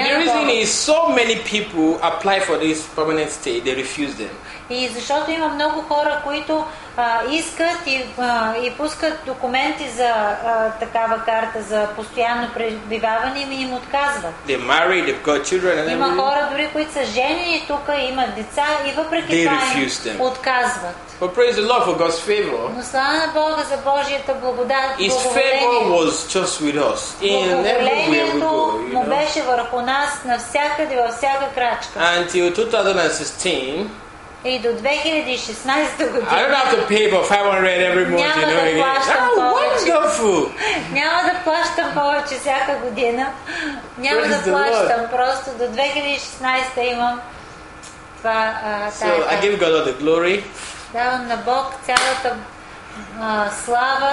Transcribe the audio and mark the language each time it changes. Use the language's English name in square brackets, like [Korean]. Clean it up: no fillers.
[English] The reason is so many people apply for this permanent stay, they refuse them. [Bulgarian] И защото има много хора, които искат и пускат документи за такава карта за постоянно пребиваване и им отказват. [English] They're married, they've got children and [Bulgarian] има хора, дори които са женени тук, имат деца и въпреки това им отказват. [English] But praise the Lord for God's favor. [Bulgarian] Но слава на Бога за Божията благодат. [English] His favor was just with us. [Bulgarian] Благоволението му беше върху нас навсякъде, във всяка крачка. [English] Until 2016, [Bulgarian] и до 2016 година. [English] I don't have to pay for 500 every month, you know. Wonderful. [Bulgarian] Няма да плащам повече всяка година. Няма да плащам, просто до 2016 имам това [English] So I give God all the glory. [Bulgarian] Давам на Бог цялата слава.